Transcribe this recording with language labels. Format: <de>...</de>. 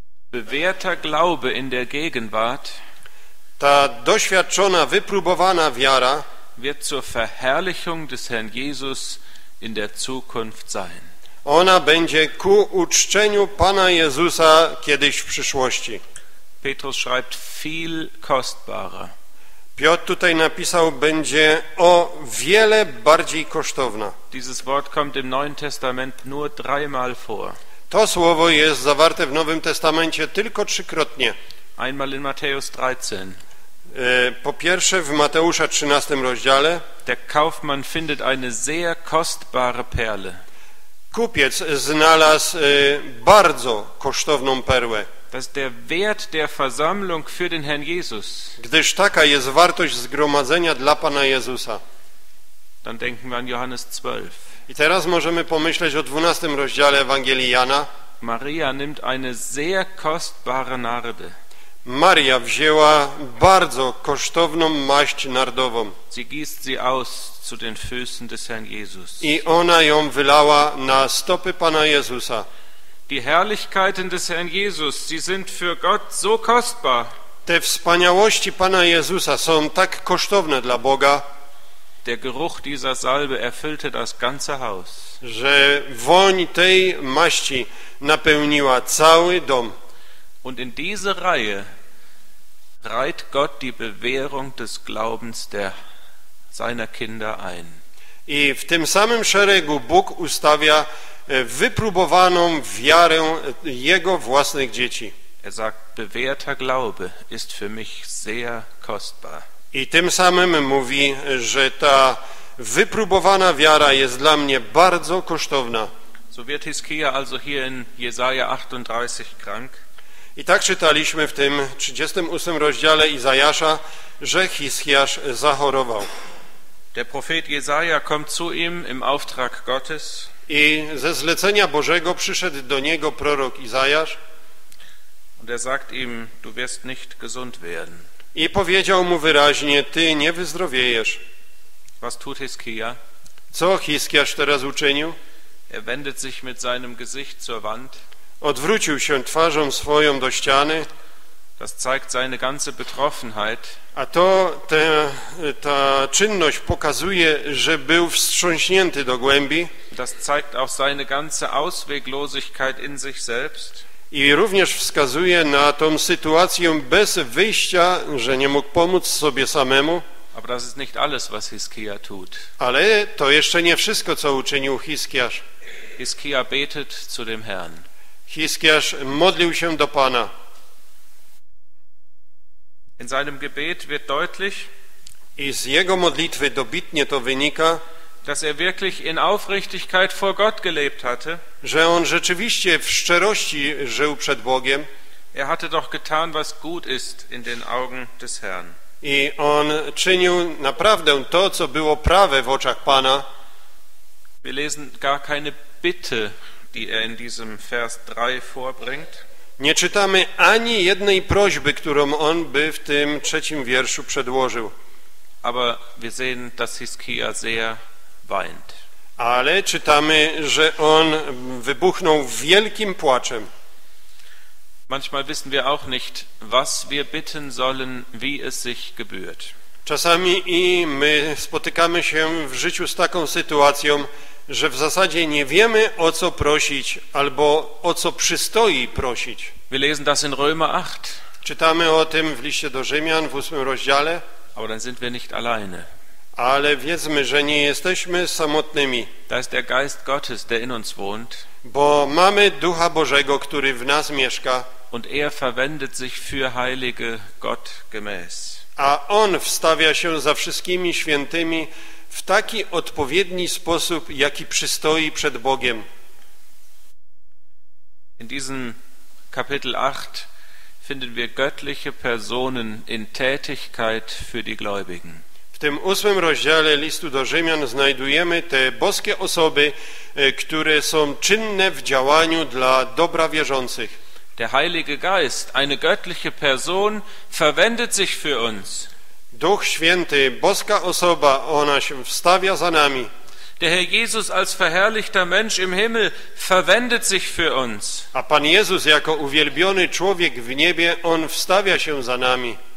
<de>Bewährter Glaube in der Gegenwart.</de> <pl>Ta doświadczona, wypróbowana wiara</pl> <de>wird zur Verherrlichung des Herrn Jesus in der Zukunft sein.</de> <pl>Ona będzie ku uczczeniu Pana Jezusa kiedyś w przyszłości.</pl> <de>Petrus schreibt viel kostbarer.</de> <pl>Piotr tutaj napisał, będzie o wiele bardziej kosztowna.</pl> <de>Dieses Wort kommt im Neuen Testament nur dreimal vor.</de> <pl>To słowo jest zawarte w Nowym Testamencie tylko trzykrotnie.</pl> <de>Einmal in Matthäus 13.</de> <pl>Po pierwsze w Mateusza 13 rozdziale.</pl> <de>Der Kaufmann findet eine sehr kostbare Perle.</de> <pl>Kupiec znalazł bardzo kosztowną perłę.</pl> <de>Das ist der Wert der Versammlung für den Herrn Jesus.</de> <pl>Gdyż taka jest wartość zgromadzenia dla Pana Jezusa.</pl> <de>Dann denken wir an Johannes 12.</de> <pl>I teraz możemy pomyśleć o 12 rozdziale Ewangelii Jana.</pl> <de>Maria nimmt eine sehr kostbare Narde.</de> <pl>Maria wzięła bardzo kosztowną maść nardową.</pl> <de>Sie gießt sie aus zu den Füßen des Herrn Jesus.</de> <pl>I ona ją wylała na stopy Pana Jezusa.</pl> <de>Die Herrlichkeiten des Herrn Jesus, sie sind für Gott so kostbar.</de> <pl>Te wspaniałości Pana Jezusa są tak kosztowne dla Boga.</pl> <de>Der Geruch dieser Salbe erfüllte das ganze Haus.</de> <pl>Że woń tej maści napełniła cały dom.</pl> <de>Und in diese Reihe reiht Gott die Bewährung des Glaubens der seiner Kinder ein.</de> <pl>I w tym samym szeregu Bóg ustawia wypróbowaną wiarę jego własnych dzieci.</pl> <de>Er sagt, bewährter Glaube ist für mich sehr kostbar.</de> <pl>I tym samym mówi, że ta wypróbowana wiara jest dla mnie bardzo kosztowna.</pl> <de>So wird Hiskia also hier in Jesaja 38 krank.</de> <pl>I tak czytaliśmy w tym 38 rozdziale Izajasza, że Hiskiasz zachorował.</pl> <de>Der Prophet Jesaja kommt zu ihm im Auftrag Gottes.</de> <pl>I ze zlecenia Bożego przyszedł do niego prorok Izajasz.</pl> <de>Und er sagt ihm, du wirst nicht gesund werden.</de> <pl>I powiedział mu wyraźnie, ty nie wyzdrowiejesz.</pl> <de>Was tut Hiskia?</de> <pl>Co Hiskiasz teraz uczynił?</pl> <de>Er wendet sich mit seinem Gesicht zur Wand.</de> <pl>Odwrócił się twarzą swoją do ściany.</pl> <de>Das zeigt seine ganze Betroffenheit.</de> <pl>A to ta czynność pokazuje, że był wstrząśnięty do głębi.</pl> <de>Das zeigt auch seine ganze Ausweglosigkeit in sich selbst.</de> <pl>I również wskazuje na tą sytuację bez wyjścia, że nie mógł pomóc sobie samemu.</pl> <de>Aber das ist nicht alles, was Hiskia tut.</de> <pl>Ale to jeszcze nie wszystko, co uczynił Hiskiasz.</pl> <de>Hiskia betet zu dem Herrn.</de> <pl>Hiskiasz modlił się do Pana.</pl> <de>In seinem Gebet wird deutlich,</de> <pl>i z jego modlitwy dobitnie to wynika,</pl> <de>dass er wirklich in Aufrichtigkeit vor Gott gelebt hatte,</de> <pl>że on rzeczywiście w szczerości żył przed Bogiem.</pl> <de>Er hatte doch getan, was gut ist in den Augen des Herrn.</de> <pl>I on czynił naprawdę to, co było prawe w oczach Pana.</pl> <de>Wir lesen gar keine Bitte, die er in diesem Vers 3 vorbringt.</de> <pl>Nie czytamy ani jednej prośby, którą on by w tym trzecim wierszu przedłożył.</pl> <de>Aber wir sehen, dass Hiskia sehr weint.</de> <pl>Ale czytamy, że on wybuchnął wielkim płaczem.</pl> <de>Manchmal wissen wir auch nicht, was wir bitten sollen, wie es sich gebührt.</de> <pl>Czasami i my spotykamy się w życiu z taką sytuacją, że w zasadzie nie wiemy, o co prosić, albo o co przystoi prosić.</pl> <de>Wir lesen das in Römer 8.</de> <pl>Czytamy o tym w liście do Rzymian w 8 rozdziale.</pl> <de>Aber dann sind wir nicht alleine.</de> <pl>Ale wiedzmy, że nie jesteśmy samotnymi.</pl> <de>Da ist der Geist Gottes, der in uns wohnt.</de> <pl>Bo mamy Ducha Bożego, który w nas mieszka.</pl> <de>Und er verwendet sich für Heilige Gott gemäß.</de> <pl>A on wstawia się za wszystkimi świętymi w taki odpowiedni sposób, jaki przystoi przed Bogiem.</pl> <de>In diesem Kapitel 8 finden wir göttliche Personen in Tätigkeit für die Gläubigen.</de> <pl>W tym ósmym rozdziale listu do Rzymian znajdujemy te boskie osoby, które są czynne w działaniu dla dobra wierzących.</pl> <de>Der Heilige Geist, eine göttliche Person, verwendet sich für uns.</de> <pl>Duch Święty, boska osoba, ona się wstawia za nami.</pl> <de>Der Herr Jesus als verherrlichter Mensch im Himmel verwendet sich für uns.</de> <pl>A Pan Jezus jako uwielbiony człowiek w niebie, on wstawia się za nami.</pl>